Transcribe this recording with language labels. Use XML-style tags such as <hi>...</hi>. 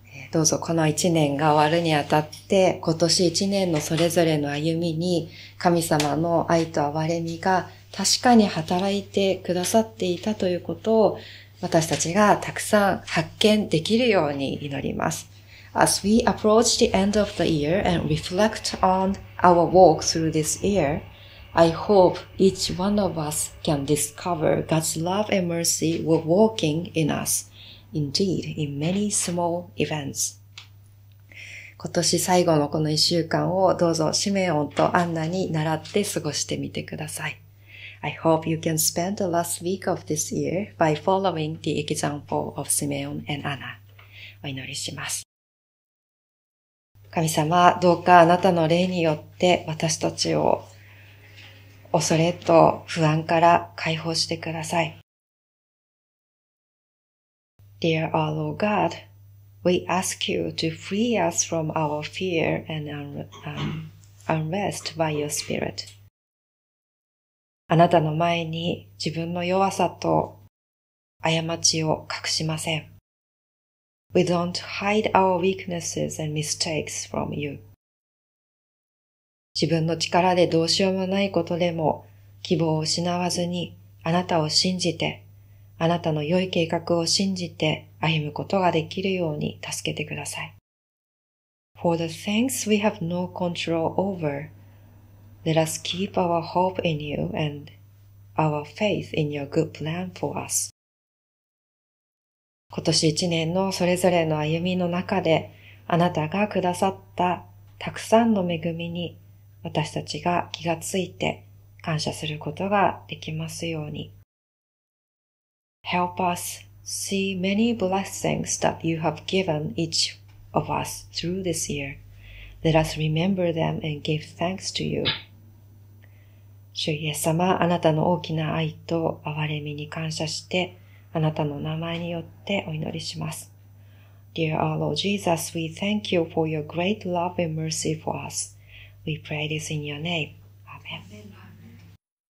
<ja>どうぞこの一年が終わるにあたって、今年一年のそれぞれの歩みに神様の愛と憐れみが確かに働いてくださっていたということを私たちがたくさん発見できるように祈ります。</ja> <en>As we approach the end of the year and reflect on our walk through this year, I hope each one of us can discover God's love and mercy were walking in us, indeed, in many small events.</en> <ja>今年最後のこの一週間をどうぞシメオンとアンナに習って過ごしてみてください。</ja> <en>I hope you can spend the last week of this year by following the example of Simeon and Anna.</en> <ja>お祈りします。神様、どうかあなたの霊によって私たちを恐れと不安から解放してください。</ja> <en>Dear our Lord God, we ask you to free us from our fear and unrest by your Spirit.</en> <ja>あなたの前に自分の弱さと過ちを隠しません。</ja> <en>We don't hide our weaknesses and mistakes from you.</en> <ja>自分の力でどうしようもないことでも希望を失わずにあなたを信じて、あなたの良い計画を信じて歩むことができるように助けてください。</ja> <en>For the things we have no control over,Let us keep our hope in you and our faith in your good plan for us.</en> <ja>今年一年のそれぞれの歩みの中で、あなたがくださったたくさんの恵みに、私たちが気がついて感謝することができますように。</ja> <en>Help us see many blessings that you have given each of us through this year. Let us remember them and give thanks to you.</en> <ja>主イエス様、あなたの大きな愛と憐れみに感謝して、あなたの名前によってお祈りします。</ja> <en>Dear our Lord Jesus, we thank you for your great love and mercy for us.We pray this in your name.Amen.</en>